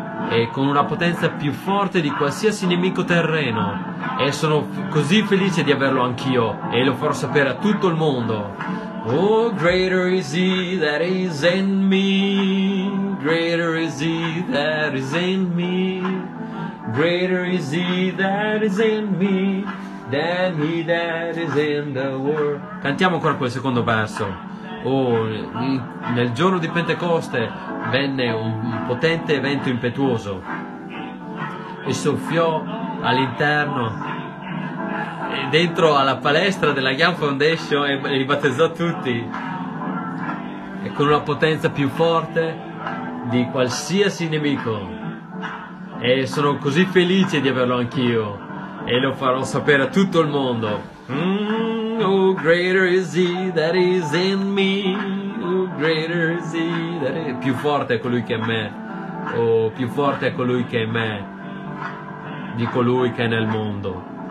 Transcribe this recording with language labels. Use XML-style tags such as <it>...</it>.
<it>E con una potenza più forte di qualsiasi nemico terreno, e sono così felice di averlo anch'io e lo farò sapere a tutto il mondo.</it> <en>Oh, greater is he that is in me, greater is he that is in me, greater is he that is in me. than he that is in the world.</en> <it>Cantiamo ancora quel secondo verso. Oh, nel giorno di Pentecoste venne un potente vento impetuoso e soffiò all'interno e dentro alla palestra della Young Foundation e li battezzò tutti, e con una potenza più forte di qualsiasi nemico. E sono così felice di averlo anch'io, e lo farò sapere a tutto il mondo.</it> <en>Oh, greater is he that is in me. Oh, greater is he that is...</en> <it>Più forte è colui che è me. Oh, più forte è colui che è me di colui che è nel mondo.</it>